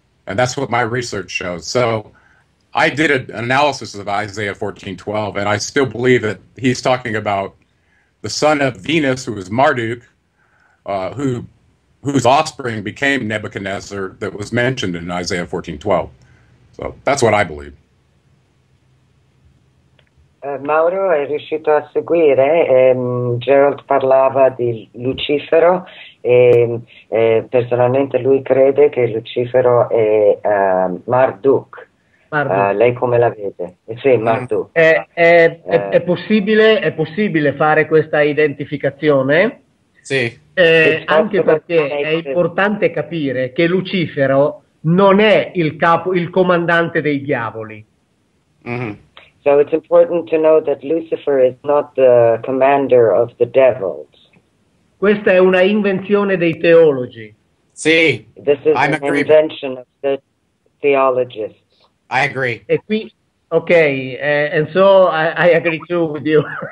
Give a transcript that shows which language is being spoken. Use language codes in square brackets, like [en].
[en] And that's what my research shows. So I did an analysis of Isaiah 14:12, and I still believe that he's talking about the son of Venus, who is Marduk, whose offspring became Nebuchadnezzar, that was mentioned in Isaiah 14:12. So that's what I believe. [it] Mauro è riuscito a seguire, Gerald parlava di Lucifero e personalmente lui crede che Lucifero è Marduk. Lei come la vede? Sì, Marduk. È possibile fare questa identificazione? Sì. Anche perché è importante capire che Lucifero non è il comandante dei diavoli. Mm-hmm. [en] So it's important to know that Lucifer is not the commander of the devils. [it] Questa è una invenzione dei teologi. Sì, [en] this is I'm an agree. Invention of the theologists. I agree. [it] E qui, [en] okay, and so I agree too with you.